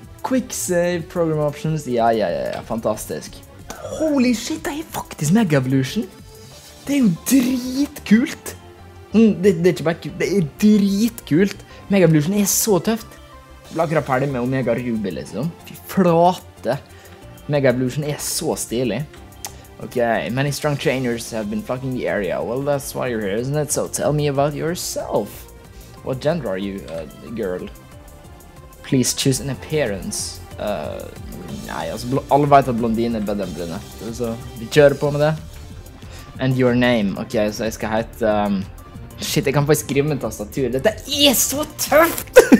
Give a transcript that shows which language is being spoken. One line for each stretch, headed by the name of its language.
English: Quick save program options.
Norwegian: Ja, ja, ja, ja, fantastisk. Holy shit, det er faktisk Mega Evolution. Det er jo dritkult. Det er ikke bare kult, det er dritkult. Mega Evolution er så tøft. Jeg ble akkurat ferdig med Omega Ruby, liksom. Fy flate. Mega Evolution er så stilig.
English: Ok, many strong trainers have been flocking the area. Well, that's why you're here, isn't it? So tell me about yourself. What gender are you, girl? Please choose an appearance.
Norwegian: Nei, altså, alle vet at blondine er bedre enn brunette, så vi kjører på med det.
English: And your name, ok,
Norwegian: så jeg skal hete, shit, jeg kan faktisk skrive med en tastatur, dette er så tøft!